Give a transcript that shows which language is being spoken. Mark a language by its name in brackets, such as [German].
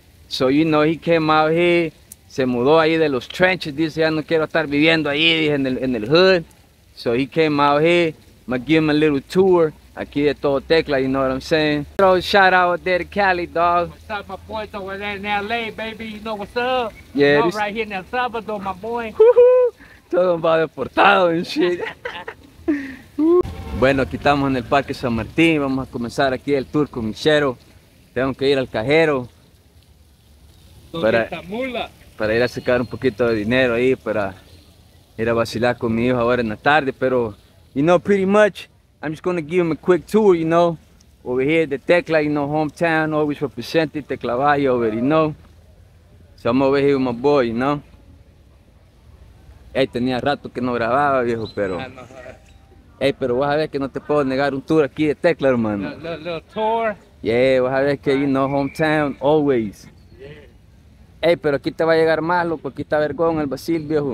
[English] So, you know, he came out here, [Spanish] se mudó ahí de los trenches, dice, ya no quiero estar viviendo ahí, dije, en el hood. [English] So he came out here, I'ma give him a little tour, [Spanish] aquí de todo Tecla, [English] you know what I'm saying? Throw a shout out there to Cali, dog. What's up, my boys over there in L.A., baby, you know what's up? Yeah, you know, right here in El Salvador, my boy. [Spanish] Todo va deportado en shit. Bueno, aquí estamos en el Parque San Martín. Vamos a comenzar aquí el tour con Michero. Tengo que ir al cajero para ir a sacar un poquito de dinero ahí para ir a vacilar con mi hijo ahora en la tarde. [English] Pero, you know, pretty much, I'm just gonna give him a quick tour, you know. Over here, the Tecla, you know, hometown, always represented, Tecla Valle, over, you know. So I'm over here with my boy, you know. [Spanish] Ey, tenía rato que no grababa, viejo, pero. Ey, pero vas a ver que no te puedo negar un tour aquí de Tecla, hermano. [English] Little tour. Yeah, [Spanish] vas a ver que, [English] you know, hometown, always. Yeah. [Spanish] Ey, pero aquí te va a llegar más, loco, aquí está vergón el Brasil, viejo.